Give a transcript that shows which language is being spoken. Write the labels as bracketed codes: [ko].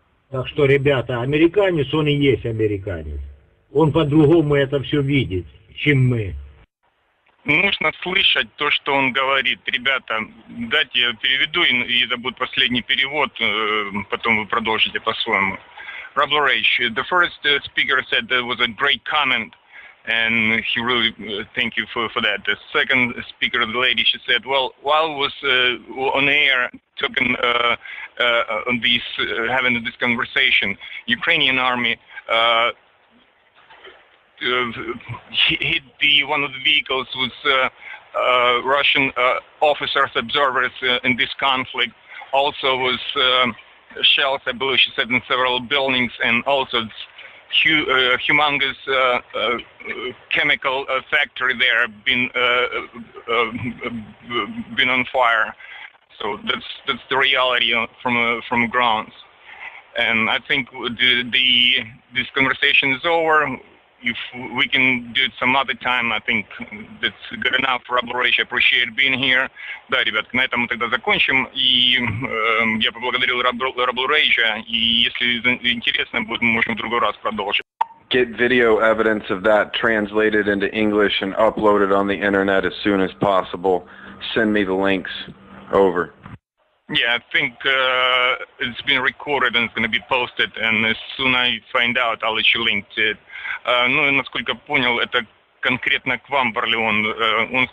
[ru] Так что, ребята, американец, он и есть американец. Он по-другому это все видит, чем мы. Нужно слышать то, что он говорит. Ребята, дайте я переведу, и это будет последний перевод, потом вы продолжите по-своему. [en] Rubble Rage, the first speaker said that was a great comment, and he really thank you for that. The second speaker, the lady, she said, well, while was on air talking on these having this conversation, Ukrainian army hit the one of the vehicles with Russian officers, observers in this conflict. Also was shells, I believe she said, in several buildings, and also humongous chemical factory there been on fire. So that's the reality from grounds. And I think the this conversation is over. If we can do it some other time, I think that's good enough. Rubble Rage, appreciate being here. [ru] Да, ребятки, на этом мы тогда закончим. И я поблагодарил Rubble Rage. И если интересно будет, мы можем в другой раз продолжить. Get video evidence of that translated into English and uploaded on the internet as soon as possible. Send me the links. Over. Yeah, I think it's been recorded and it's going to be posted. And as soon as I find out, I'll let you link to it. Ну, насколько понял, это конкретно к вам, Барлеон.